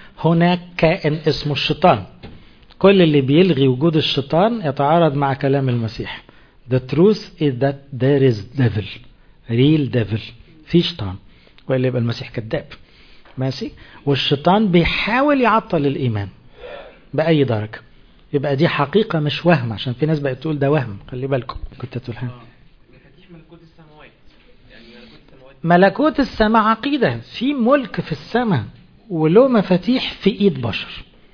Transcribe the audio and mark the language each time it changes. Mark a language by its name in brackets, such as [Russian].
[Arabic] هناك كائن اسمه الشيطان، كل اللي بيلغي وجود الشيطان يتعارض مع كلام المسيح. [English] The truth is that there is devil, real devil. [Arabic] في شيطان، وإلا يبقى المسيح كذاب. ماشي. والشيطان بيحاول يعطل الإيمان بأي درجة. يبقى دي حقيقة مش وهم، عشان في ناس بقت تقول ده وهم. خلي بالكم كنت تقولها. ملكوت السماء عقيدة، في ملك في السماء ولو مفاتيح في إيد بشر.